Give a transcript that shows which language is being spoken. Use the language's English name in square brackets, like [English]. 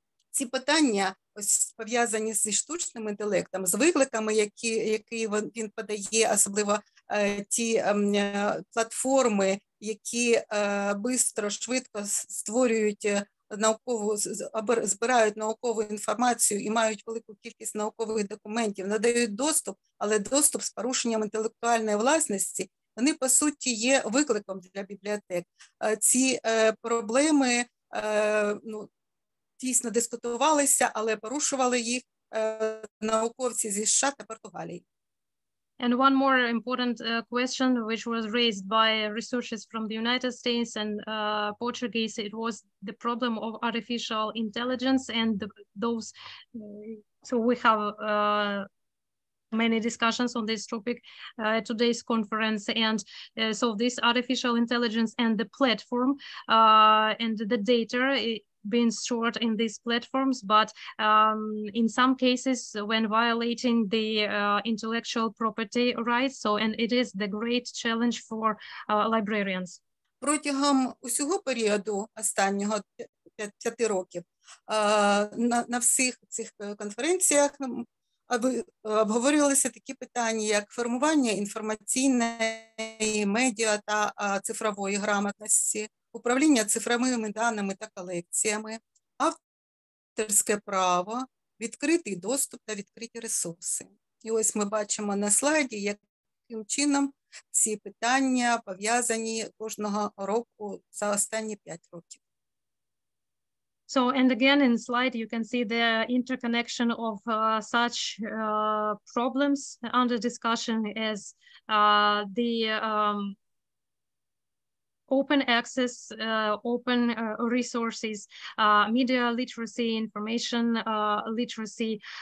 [Ukrainian] Ці питання ось пов'язані зі штучним інтелектом, з викликами, які він подає, особливо ті платформи, які швидко створюють наукову, збирають наукову інформацію і мають велику кількість наукових документів, надають доступ, але доступ з порушенням інтелектуальної власності, вони по суті є викликом для бібліотек. Ці проблеми дійсно дискутувалися, але порушували їх науковці зі США та Португалії. [English] And one more important question which was raised by researchers from the United States and Portuguese, it was the problem of artificial intelligence and those, so we have many discussions on this topic at today's conference, and so this artificial intelligence and the platform and the data being stored in these platforms, but in some cases when violating the intellectual property rights, so, and it is the great challenge for librarians. [Ukrainian] Протягом усього періоду останнього 5 років на всіх цих конференціях обговорювалися такі питання, як формування інформаційної медіа та цифрової грамотності, управління цифровими даними та колекціями, авторське право, відкритий доступ та відкриті ресурси. І ось ми бачимо на слайді, як таким чином всі питання пов'язані кожного року за останні 5 років. [English] So, and again, in slide, you can see the interconnection of such problems under discussion as the open access, open resources, media literacy, information literacy.